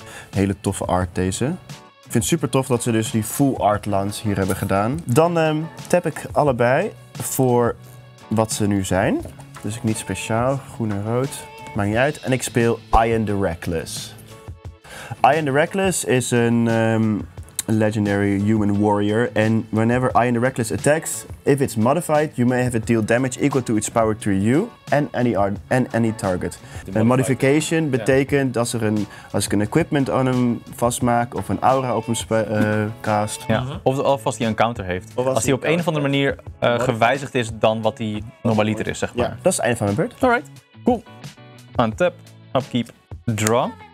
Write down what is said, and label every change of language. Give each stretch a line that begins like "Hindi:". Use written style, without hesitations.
Dutch: Hele toffe art deze. Ik vind het super tof dat ze dus die full art lands hier hebben gedaan. Dan tap ik allebei voor wat ze nu zijn. Dus ik niet speciaal, groen en rood. Maakt niet uit. En ik speel Iron the Reckless. Eye in the Reckless is een legendary human warrior.
English: En whenever Eye in the Reckless attacks, if it's modified, you may have it deal damage equal to its power to you and any target.
Dutch: Een modification betekent dat als ik een equipment aan hem vastmaak of een aura op hem cast. Ja. Of als hij een counter heeft. Als hij op een of andere manier gewijzigd is dan wat hij normaliter is, zeg maar. Ja, dat is het einde van mijn beurt.
English: Alright, cool. Untap, upkeep, draw.